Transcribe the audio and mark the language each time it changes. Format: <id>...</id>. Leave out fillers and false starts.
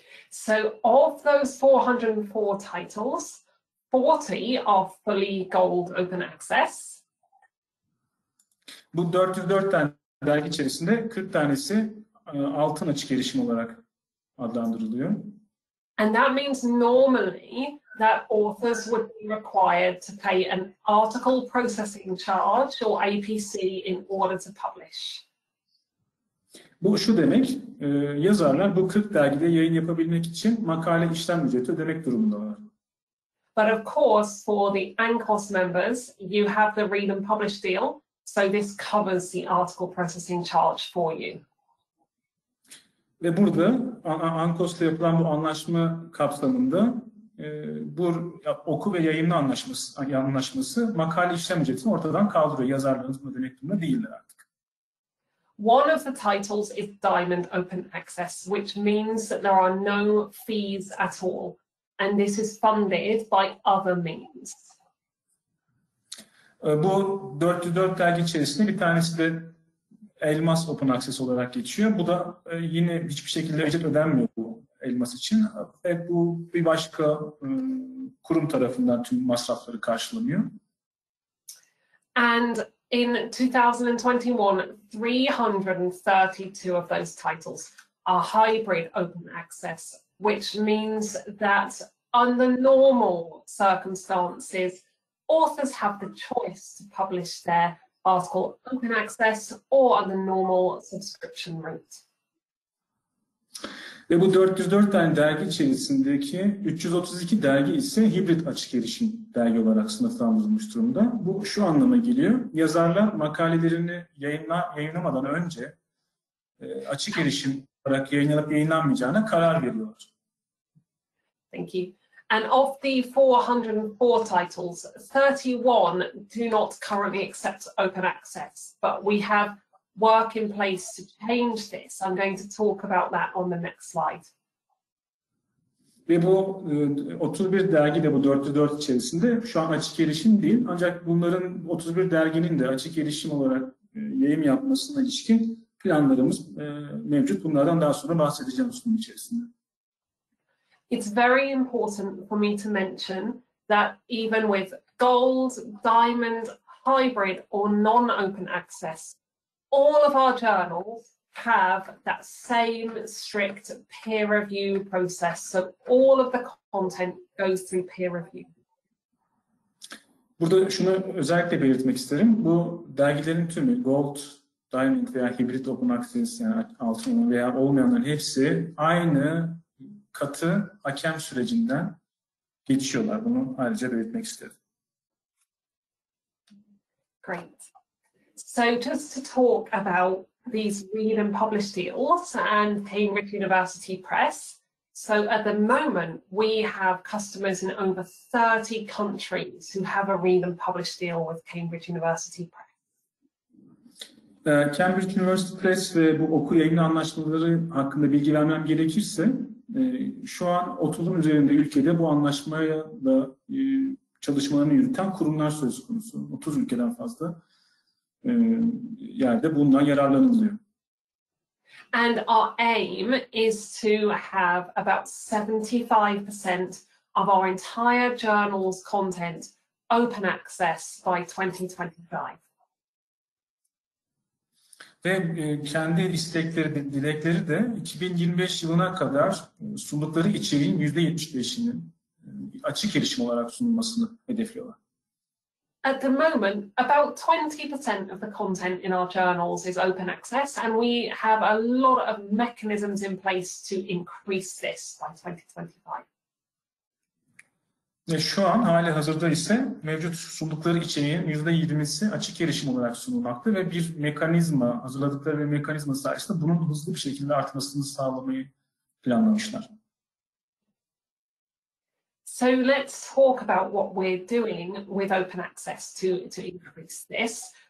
<en>So of those 404 titles, 40 are fully gold open access.</en> <tr>Bu 404 tane dergi içerisinde 40 tanesi altın açık erişim olarak adlandırılıyor.</tr> <en>And that means normally that authors would be required to pay an article processing charge or APC in order to publish.</en> <tr>Bu şu demek, yazarlar bu 40 dergide yayın yapabilmek için makale işlem ücreti ödemek durumundalar.</tr> <en>But of course, for the ANCOS members, you have the read and publish deal, so this covers the article processing charge for you.</en> <tr>Ve burada ANCOS'la yapılan bu anlaşma kapsamında bu oku ve yayınla anlaşması makale işlem ücretini ortadan kaldırıyor. Yazarlarınız bunu demek durumunda değiller artık.</tr> <en>One of the titles is Diamond Open Access, which means that there are no fees at all. And this is funded by other means.</en> <tr>Bu 404 dergi içerisinde bir tanesi de Elmas Open Access olarak geçiyor. Bu da yine hiçbir şekilde ücret ödenmiyor bu Elmas için. Ve bu bir başka kurum tarafından tüm masrafları karşılanıyor.</tr> <en>And in 2021, 332 of those titles are hybrid open access, which means that under normal circumstances, authors have the choice to publish there Article Open Access or other normal subscription rate.</en> <tr>Ve bu 404 tane dergi içerisindeki 332 dergi ise hibrit açık erişim dergi olarak sınıflandırılmış durumda. Bu şu anlama geliyor. Yazarlar makalelerini yayınlamadan önce açık erişim olarak yayınlanıp yayınlanmayacağına karar veriyor.</tr> <en>Thank you. And of the 404 titles, 31 do not currently accept open access, but we have work in place to change this. I'm going to talk about that on the next slide.</en> <tr>Ve bu 31 dergi de bu 404 içerisinde şu an açık erişim değil. Ancak bunların 31 derginin de açık erişim olarak yayım yapmasına ilişkin planlarımız mevcut. Bunlardan daha sonra bahsedeceğim sunum içerisinde.</tr> <en>It's very important for me to mention that even with gold, diamond, hybrid or non-open access, all of our journals have that same strict peer review process. So all of the content goes through peer review.</en> <tr>Burada şunu özellikle belirtmek isterim. Bu dergilerin tümü gold, diamond veya hybrid open access yani altın veya olmayanların hepsi aynı katı hakem sürecinden geçiyorlar. Bunu ayrıca belirtmek istedim.</tr> <en>Great. So just to talk about these read and publish deals and Cambridge University Press. So at the moment, we have customers in over 30 countries who have a read and publish deal with Cambridge University Press.</en> <tr>Cambridge University Press ve bu oku yayın anlaşmaları hakkında bilgi vermem gerekirse, şu an 30'un üzerinde ülkede bu anlaşmaya da çalışmalarını yürüten kurumlar söz konusu. 30 ülkeden fazla yerde bundan yararlanılıyor.</tr> <en>And our aim is to have about 75% of our entire journal's content open access by 2025.</en> <tr>Ve kendi istekleri, dilekleri de 2025 yılına kadar sundukları içeriğin %75'inin açık erişim olarak sunulmasını hedefliyorlar.</tr> <en>At the moment, about 20% of the content in our journals is open access and we have a lot of mechanisms in place to increase this by 2025.</en> <tr>Şu an hali hazırda ise mevcut sundukları içeriğin %20'si açık erişim olarak sunulmakta ve bir mekanizma, hazırladıkları bir mekanizma sayesinde bunun hızlı bir şekilde artmasını sağlamayı planlamışlar.</tr> <en>So let's talk about what we're doing with open access to increase this.</en>